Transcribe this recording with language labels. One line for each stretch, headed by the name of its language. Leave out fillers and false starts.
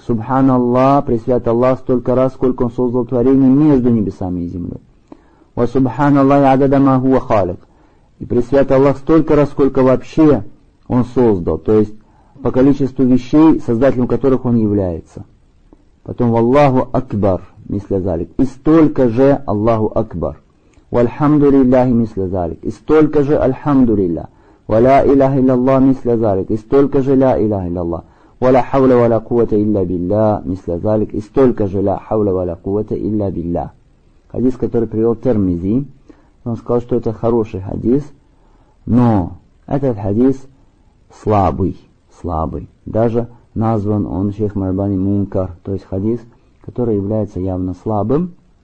Russian: Субхан Аллах, Пресвят Аллах, столько раз, сколько Он создал творение между небесами и землей.
Arabic: وَسُبْحَانَ اللَّهِ عَدَدَ مَا هُوَ خَالِقَ.
Russian: И Пресвят Аллах столько раз, сколько вообще Он создал, то есть по количеству вещей, создателем которых Он является. Потом
Arabic: وَاللَّهُ أَكْبَر مِثْلَ ذَلِكَ.
Russian: И столько же Аллаху Акбар.
Arabic: وَالْحَمْدُ لِلَّهِ مِثْلَ ذَلِكَ.
Russian: И столько же
Arabic: الْحَمْدُ لِلَّهِ. وَلَا إِلَهِ إِلَّا اللَّهِ مِثْلَ ذَلِكَ.
Russian: И столько же
Arabic: «Ля إِلَهِ إِلَّا اللَّهِ». وَلَا حَوْلَ وَلَا قُوَّةَ إِلَّا بِاللَّهِ مِثْلَ ذَلِكَ.
Russian: И столько же
Arabic: «Ля حَوْلَ وَلَا قُوَّةَ إِلَّا بِاللَّهِ».
Russian: Хадис, который привел Термизи, он сказал, что это хороший хадис, но этот хадис слабый, слабый. Даже назван он шейх Мальбани Мункар, то есть хадис, который является явно слабым.